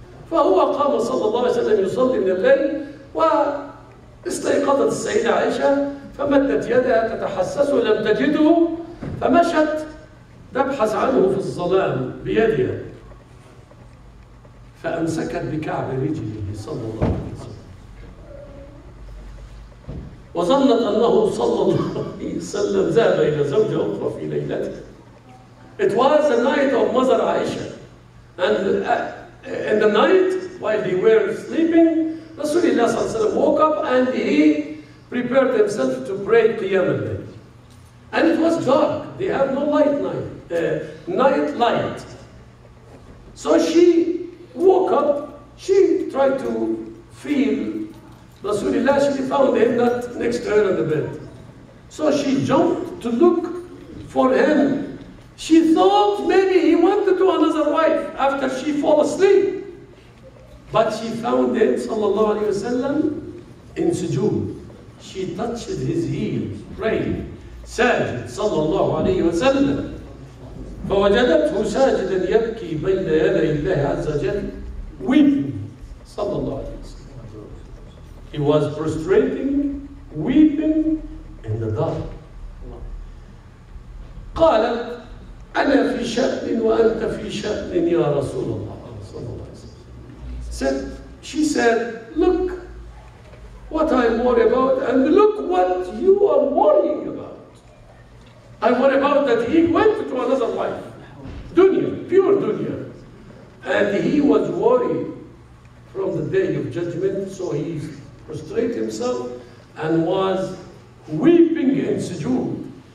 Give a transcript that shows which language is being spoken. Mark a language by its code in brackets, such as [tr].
[ar] فهو قام صلى الله عليه وسلم يصلي من الليل, واستيقظت السيدة عائشة فمدت يدها تتحسسه لم تجده, فمشت تبحث عنه في الظلام بيدها, فأمسكت بكعب رجله صلى الله عليه وسلم, وظنت أنه صلى الله عليه وسلم ذهب إلى زوجة أخرى في ليلته. [en] It was the night of Mother Aisha. And in the night, while they were sleeping, Rasulullah sallallahu alayhi wa sallam woke up and he prepared himself to pray Qiyam al-Layl. And it was dark. They have no light night. Night light. So she woke up. She tried to feel Rasulullah. She found him not next to her in the bed. So she jumped to look for him. She thought maybe he went to another wife after she fell asleep. But she found him, sallallahu alayhi wa sallam, in sujood. She touched his heels, praying, sajid, sallallahu alayhi wa sallam. [ar] فوجدته ساجدا يبكي بين يدي الله عز وجل, weeping, sallallahu alayhi wa sallam. [en] He was prostrating, weeping in the dark. [ar] قال, أنا في شأن وأنت في شأن يا رسول الله صلى الله عليه وسلم. [en] She said, look, What I'm worried about, and look what you are worrying about. I'm worried about that he went to another life, dunya, pure dunya. And he was worried from the day of judgment, so he prostrated himself and was weeping in sujood.